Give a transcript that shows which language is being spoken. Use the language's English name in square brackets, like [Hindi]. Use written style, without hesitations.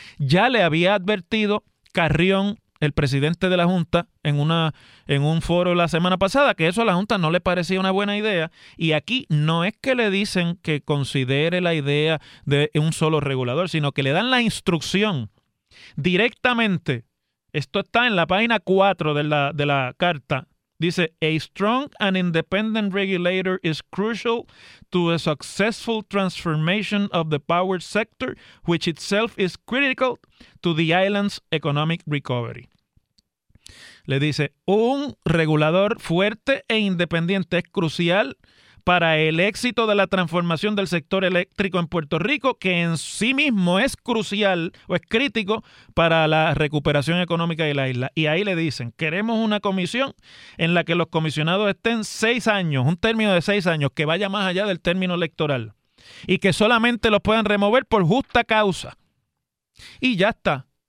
[Spanish] Ya le había advertido Carrión, el presidente de la Junta, en un foro la semana pasada, que eso a la Junta no le parecía una buena idea. Y aquí no es que le dicen que considere la idea de un solo regulador, sino que le dan la instrucción directamente. Esto está en la página 4 de la carta. Dice, [English] a strong and independent regulator is crucial to a successful transformation of the power sector, which itself is critical to the island's economic recovery. [Spanish] Le dice, un regulador fuerte e independiente es crucial para el éxito de la transformación del sector eléctrico en Puerto Rico, que en sí mismo es crucial o es crítico para la recuperación económica de la isla. Y ahí le dicen, queremos una comisión en la que los comisionados estén 6 años, un término de 6 años, que vaya más allá del término electoral, y que solamente los puedan remover por justa causa. Y ya está.